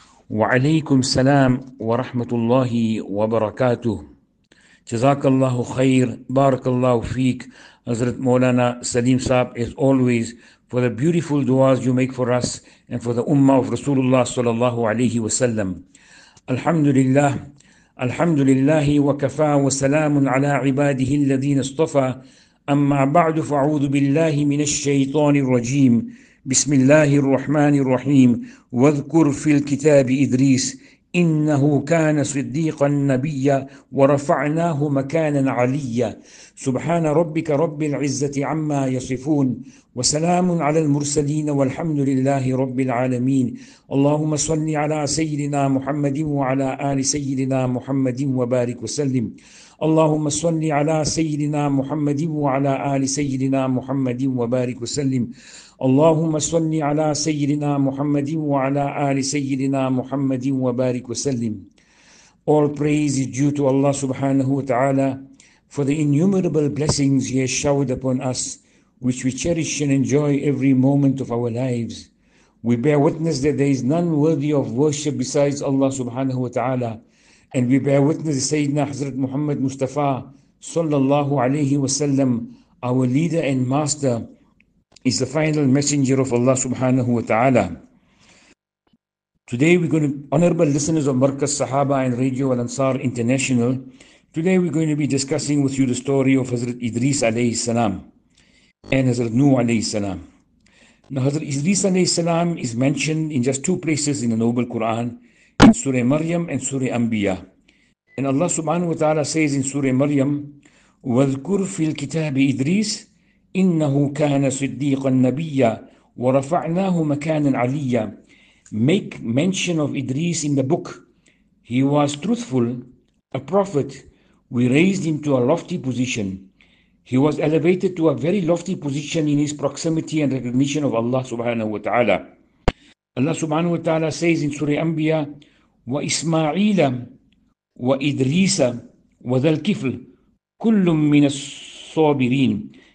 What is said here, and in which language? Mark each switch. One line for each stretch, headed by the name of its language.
Arabic: وعليكم السلام ورحمة الله وبركاته. جزاك الله خير، بارك الله فيك.
English: حضرت مولانا سليم صاحب، as always, for the beautiful du'as you make for us and for the ummah of Rasulullah
Arabic: صلى الله عليه وسلم. الحمد لله، الحمد لله وكفى وسلام على عباده الذين اصطفى. أما بعد، فأعوذ بالله من الشيطان الرجيم. بسم الله الرحمن الرحيم. واذكر في الكتاب إدريس إنه كان صديقا نبيا ورفعناه مكانا عليا. سبحان ربك رب العزة عما يصفون وسلام على المرسلين والحمد لله رب العالمين. اللهم صل على سيدنا محمد وعلى آل سيدنا محمد وبارك وسلم. اللهم صل على سيدنا محمد وعلى آل سيدنا محمد وبارك وسلم. اللهم صل على سيدنا محمد وعلى آل سيدنا محمد وبارك وسلم.
English: All praise is due to Allah subhanahu wa ta'ala for the innumerable blessings He has showered upon us, which we cherish and enjoy every moment of our lives. We bear witness that there is none worthy of worship besides Allah subhanahu wa ta'ala. And we bear witness to Sayyidina Hazrat Muhammad Mustafa sallallahu alayhi wa sallam, our leader and master, is the final messenger of Allah subhanahu wa ta'ala. Today we're going to, honorable listeners of Markaz Sahaba and Radio Al Ansar International, today we're going to be discussing with you the story of Hazrat Idris alayhi salam and Hazrat Nuh alayhi salam. Now Hazrat Idris alayhi salam is mentioned in just two places in the Noble Quran, in Surah Maryam and Surah Anbiya. And Allah subhanahu wa ta'ala says in Surah Maryam,
Arabic: وَذْكُرْ فِي الْكِتَابِ إِدْرِيسِ إِنَّهُ كَانَ صِدِّيقًا نَبِيًّا وَرَفَعْنَاهُ مَكَانًا عَلِيًّا.
English: Make mention of Idris in the book. He was truthful, a prophet. We raised him to a lofty position. He was elevated to a very lofty position in his proximity and recognition of Allah subhanahu wa ta'ala. Allah subhanahu wa ta'ala says in Surah Anbiya,
Arabic: وَإِسْمَعِيلَ وَإِدْرِيسَ وَذَا الْكِفْلِ كُلٌّ مِّنَ الصَّابِرِينَ.